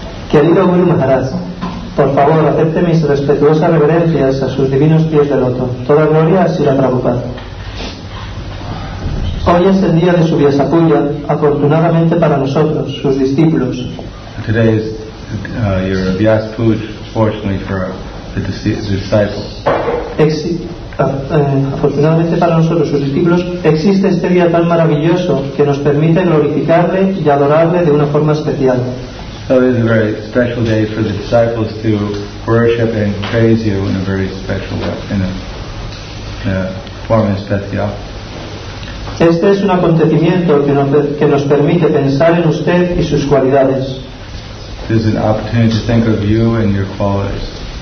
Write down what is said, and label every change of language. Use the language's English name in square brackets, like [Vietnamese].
[Spanish] Querido Guru Maharaj, por favor, acepte mis respetuosas reverencias a sus divinos pies de loto. Toda gloria a Srila Prabhupada. Hoy es el día de su Vyasapuya, afortunadamente para nosotros, sus discípulos. [English] Today is your Vyasapuja, fortunately for the disciples. [Spanish] Afortunadamente para nosotros, sus discípulos, existe este día tan maravilloso que nos permite glorificarle y adorarle de una forma especial. [English] So it is a very special day for the disciples to worship and praise you in a very special way, in a form especial. [Spanish] Este es un acontecimiento que nos permite pensar en usted y sus cualidades. [English] This is an opportunity to think of you and your qualities.